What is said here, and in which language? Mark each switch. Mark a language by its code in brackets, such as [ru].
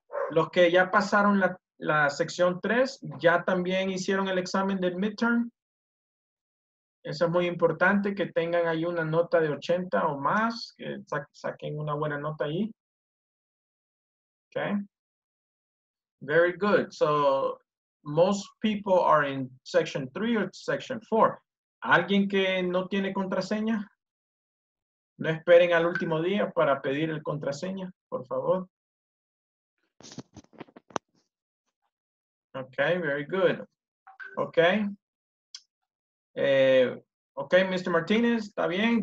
[es] Los que ya pasaron la sección 3, ¿ya también hicieron el examen del midterm? Eso es muy importante, que tengan ahí una nota de 80 o más, que saquen una buena nota ahí. [en] Okay. Very good. So, most people are in section 3 or section 4. [es] ¿Alguien que no tiene contraseña? No esperen al último día para pedir el contraseña, por favor. [en] Okay, very good. Okay. Okay, Mr. [es] Martinez, está bien.